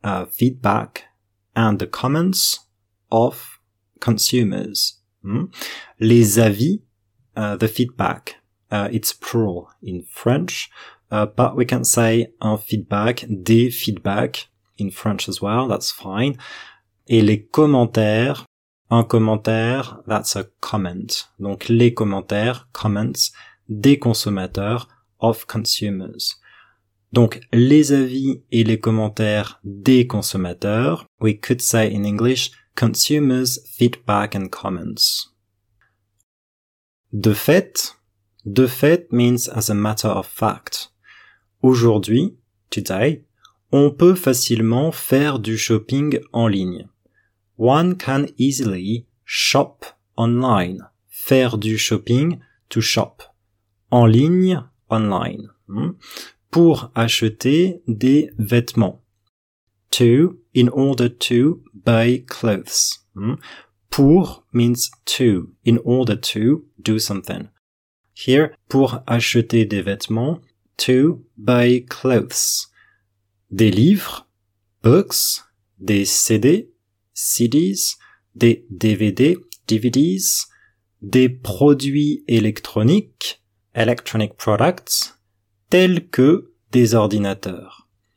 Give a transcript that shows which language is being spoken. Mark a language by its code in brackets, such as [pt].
[en] Feedback and the comments of consumers. Les avis, the feedback, it's plural in French. But we can say un feedback, des feedbacks in French as well, that's fine. [fr] Et les commentaires, un commentaire, [en] that's a comment. [fr] Donc les commentaires, comments, des consommateurs, [en] of consumers. [fr] Donc les avis et les commentaires des consommateurs, [en] we could say in English, consumers, feedback and comments. De fait means as a matter of fact. [fr] Aujourd'hui, today, on peut facilement faire du shopping en ligne. [en] One can easily shop online. [fr] Faire du shopping, [en] to shop. [fr] En ligne, online. Pour acheter des vêtements. [en] To, in order to buy clothes. Pour means to, in order to do something. Here, [fr] pour acheter des vêtements. [en] To buy clothes. [fr] Des livres, books, des CD, CDs, des DVD, DVDs, des produits électroniques, [en] electronic products, [fr] tels que des ordinateurs.